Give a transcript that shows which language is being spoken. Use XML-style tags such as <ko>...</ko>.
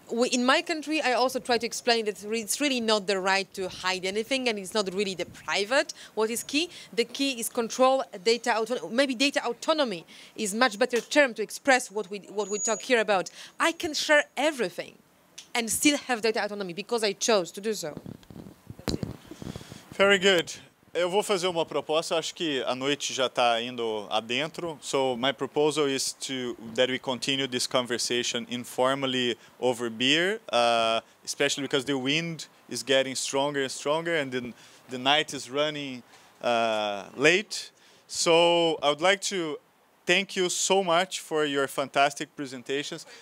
<en>In my country, I also try to explain that it's really not the right to hide anything, and it's not really the private what is key. The key is control, data autonomy. Maybe data autonomy is a much better term to express what we talk here about. I can share everything and still have data autonomy because I chose to do so. Very good.</en> <pt>Eu vou fazer uma proposta. Acho que a noite já está indo adentro.</pt> <en>So my proposal is that we continue this conversation informally over beer, especially because the wind is getting stronger and stronger, and the night is running late. So I would like to thank you so much for your fantastic presentations.</en>